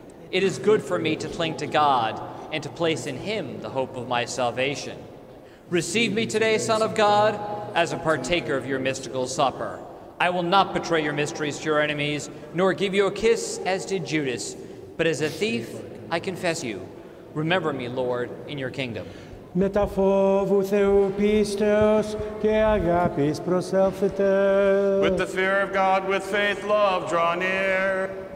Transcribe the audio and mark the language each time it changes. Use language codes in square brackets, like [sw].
[en] It is good for me to cling to God and to place in him the hope of my salvation. Receive me today, Son of God, as a partaker of your mystical supper. I will not betray your mysteries to your enemies, nor give you a kiss as did Judas, but as a thief, I confess you. Remember me, Lord, in your kingdom. [el] Μεταφόβου Θεού πίστεως και αγάπης προσέλθετε. [en] With the fear of God, with faith, love, draw near.